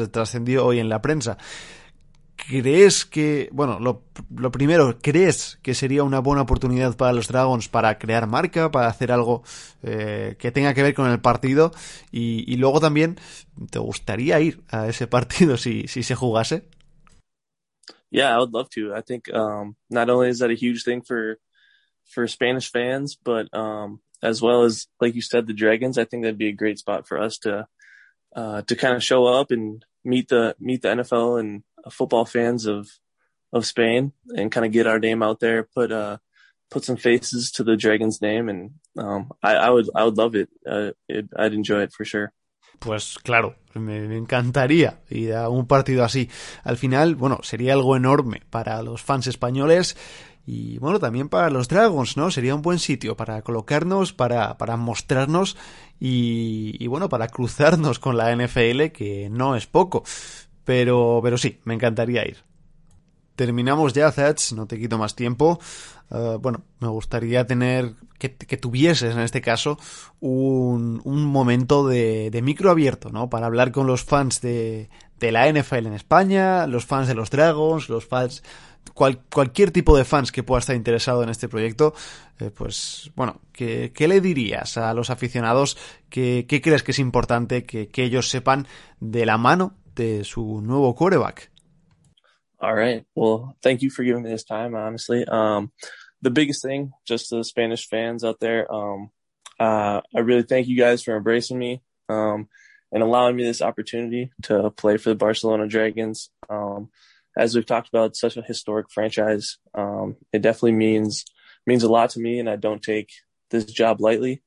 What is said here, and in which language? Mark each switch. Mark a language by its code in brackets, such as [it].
[es] Trascendió hoy en la prensa. ¿Crees que, bueno, lo primero, ¿crees que sería una buena oportunidad para los Dragons para crear marca, para hacer algo que tenga que ver con el partido? Y luego también, ¿te gustaría ir a ese partido si se jugase? [en] Yeah, I would love to. I think not only is that a huge thing for Spanish fans, but as well as, like you said, the Dragons, I think that'd be a great spot for us to kind of show up and meet the NFL and football fans of Spain, and kind of get our name out there, put some faces to the Dragons' name, and I would love it. I'd enjoy it for sure. [es] Pues claro, me encantaría ir a un partido así. Al final, bueno, sería algo enorme para los fans españoles y bueno, también para los Dragons, ¿no? Sería un buen sitio para colocarnos, para mostrarnos y bueno, para cruzarnos con la NFL, que no es poco. Pero sí, me encantaría ir. Terminamos ya, Zach, no te quito más tiempo. Bueno, me gustaría tener que tuvieses en este caso un momento de micro abierto, ¿no? Para hablar con los fans de la NFL en España, los fans de los Dragons, los fans, cualquier tipo de fans que pueda estar interesado en este proyecto. Pues bueno, ¿qué le dirías a los aficionados? ¿Qué crees que es importante que ellos sepan de la mano de su nuevo quarterback? [en] All right. Well, thank you for giving me this time, honestly. The biggest thing, just to the Spanish fans out there, I really thank you guys for embracing me and allowing me this opportunity to play for the Barcelona Dragons. As we've talked about, such a historic franchise, it definitely means a lot to me, and I don't take this job lightly.